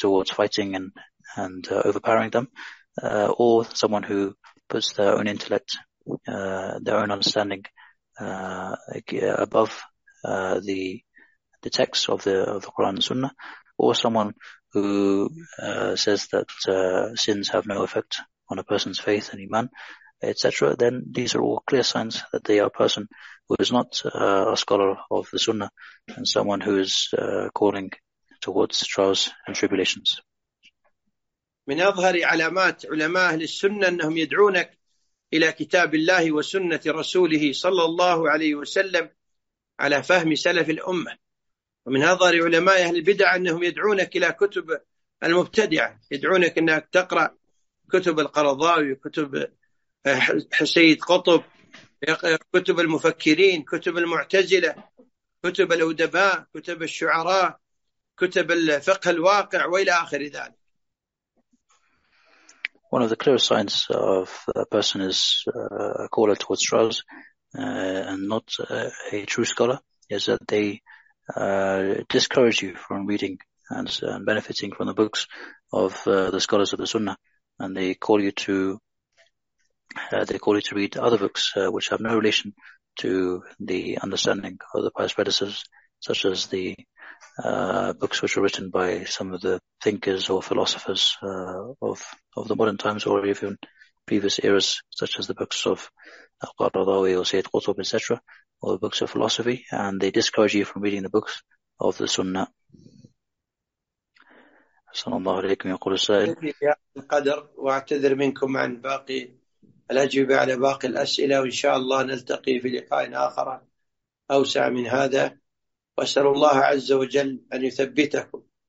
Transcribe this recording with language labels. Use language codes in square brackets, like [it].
[en] fighting and overpowering them, or someone who puts their own intellect, their own understanding above the text of the Quran and Sunnah, or someone who says that sins have no effect on a person's faith and iman, etc., then these are all clear signs that they are a person who is not a scholar of the Sunnah and someone who is calling towards trials and tribulations. [ar] من أظهر علامات علماء أهل السنة أنهم يدعونك إلى كتاب الله وسنة رسوله صلى الله عليه وسلم على فهم سلف الأمة. ومن أظهر علماء أهل البدع أنهم يدعونك إلى كتب المبتدعة، يدعونك أنك تقرأ كتب القرضاوي، كتب سيد قطب، كتب المفكرين، كتب المعتزلة، كتب الأدباء، كتب الشعراء، كتب الفقه الواقع وإلى آخر ذلك. [en] One of the clear signs of a person is a caller towards trials and not a true scholar is that they discourage you from reading and benefiting from the books of the scholars of the Sunnah, and they call you to read other books which have no relation to the understanding of the pious predecessors, such as the books which were written by some of the thinkers or philosophers of the modern times or even previous eras, such as the books of Al-Qaradawi or Sayyid Qutb, etc., or the books of philosophy, and they discourage you from reading the books of the Sunnah. [ar] السلام الله عليكم يقول السائل في القدر وأعتذر منكم عن باقي الأجوبة على باقي الأسئلة، وإن شاء الله نلتقي في لقاء آخر أوسع من هذا، وأسأل الله عز وجل أن يثبتكم